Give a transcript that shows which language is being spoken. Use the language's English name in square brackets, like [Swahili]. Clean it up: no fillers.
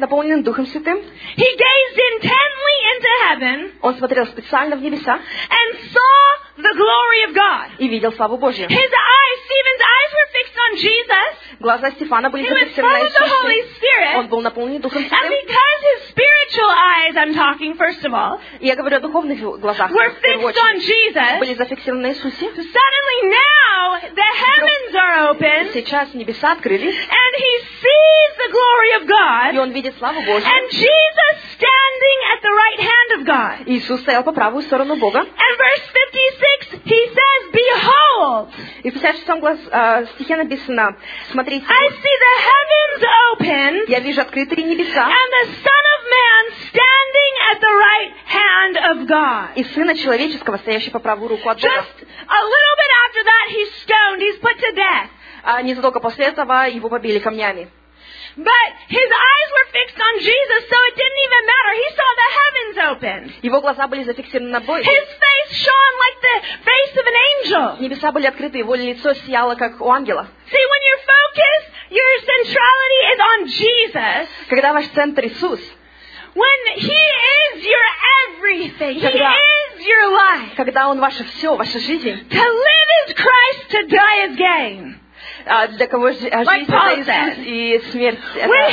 [Russian] наполненным Духом Святым, [English] he gazed intently into heaven, [Russian] он смотрел специально в небеса, [English] and saw the glory of God. [Russian] И видел славу Божью. [English] His eyes, Stephen's eyes were fixed on Jesus. [Russian] Глаза Стефана были зафиксированы на Иисусе. [English] He was full of the Holy Spirit. [Russian] Он был наполнен Духом Святым. [English] And because his spiritual eyes, I'm talking first of all, [Russian] я говорю о духовных глазах, [English] were fixed on Jesus, [Russian] были зафиксированы на Иисусе. [English] Suddenly now the heavens are open. [Russian] Сейчас небеса. [English] And he sees the glory of God. [Russian] И он видит славу Божью. [English] And Jesus standing at the right hand of God. [Russian] Иисус стоял по правую сторону Бога. [English] And verse 56, he says, "Behold." [Russian] И в 56 стихе написано, смотрите. [English] I see the heavens open. [Russian] Я вижу открытые небеса. [English] And the Son of Man standing at the right hand of God. [Russian] И Сына человеческого стоящего по правую руку от Бога. [English] Just a little bit after that, he's stoned. He's put to death. [Russian] А незадолго после этого его побили камнями. [English] But his eyes were fixed on Jesus, so it didn't even matter. He saw the heavens open. [Russian] Его глаза были зафиксированы на Боге. [English] His face shone like the face of an angel. [Russian] Небеса были открыты, его лицо сияло как у ангела. [English] See, when your focus, your centrality is on Jesus. [Russian] Когда ваш центр Иисус. [English] When he is your everything, he is your life. [Russian] Когда он ваше все, ваша жизнь. [English] To live is Christ, to die is gain. [Russian] Для кого жизнь это Иисус и смерть это